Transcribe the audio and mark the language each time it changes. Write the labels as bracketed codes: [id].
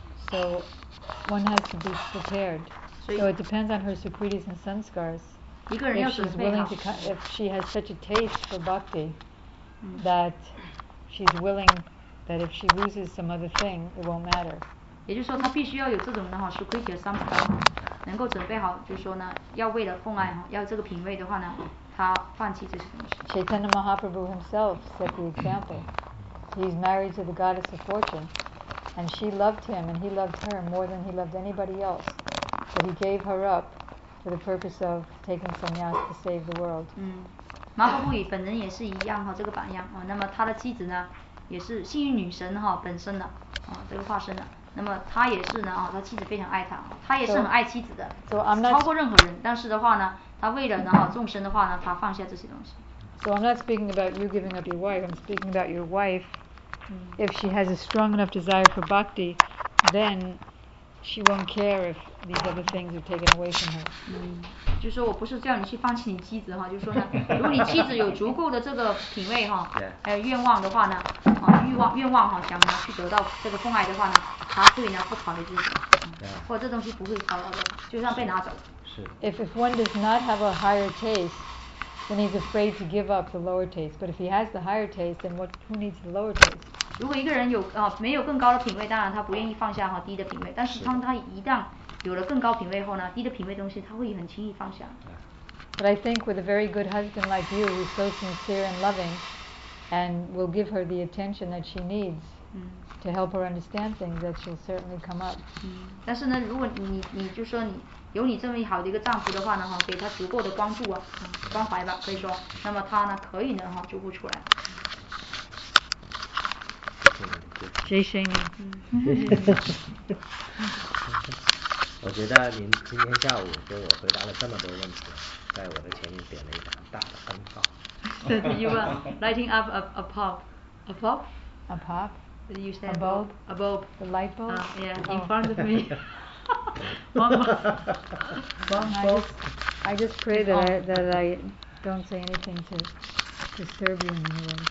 [en] So one has to be prepared. So it depends on her Sukritis and Sanskars. [zh] 一个人要准备好。 [en] If she has such a taste for bhakti. That she's willing that if she loses some other thing, it won't matter. [zh] 也就是说，她必须要有这种的哈，是可以有三宝，能够准备好，就是说呢，要为了奉爱哈，要这个品位的话呢，她放弃这些东西。 [en] Chaitanya Mahaprabhu himself set the example. He's married to the goddess of fortune, and she loved him, and he loved her more than he loved anybody else. But he gave her up for the purpose of taking sannyas to save the world. [zh] 马赫布里本人也是一样哈，这个榜样啊。那么他的妻子呢，也是幸运女神哈本身的啊，这个化身的。那么他也是呢啊，他妻子非常爱他，他也是很爱妻子的， [en] so [zh] 超过任何人。但是的话呢，他为了呢哈众生的话呢，他放下这些东西。 [en] So I'm not speaking about you giving up your wife. I'm speaking about your wife. If she has a strong enough desire for bhakti, then she won't care if these other things are taken away from her. [zh] 就是说我不是叫你去放弃你妻子哈，就是说呢，如果你妻子有足够的这个品味哈，还有愿望的话呢，愿望哈，想呢去得到这个奉爱的话呢，他会呢不考虑这些，或者这东西不会考虑的，就算被拿走。是。 [en] If one does not have a higher taste, then he's afraid to give up the lower taste. But if he has the higher taste, then who needs the lower taste? [zh] 如果一个人有没有更高的品味，当然他不愿意放下低的品味，但是当他一旦有了更高品位后呢，低的品位东西他会很轻易放下。 [en] But I think with a very good husband like you, who's so sincere and loving, and will give her the attention that she needs to help her understand things, that she'll certainly come up. [zh] 但是呢，如果你就说你有你这么好的一个丈夫的话呢，哈，给他足够的关注啊，关怀吧，可以说，那么他呢，可以呢，哈，就会出来。谁谁呢？我觉得您今天下午给我回答了这么多问题，在我的前面点了一盏大的灯泡。 [en] You are lighting up a pop. A pop? A pop? You say a bulb? A bulb. The light bulb? Yeah, oh. In front of me. I just pray that I don't say anything to disturb you in any way.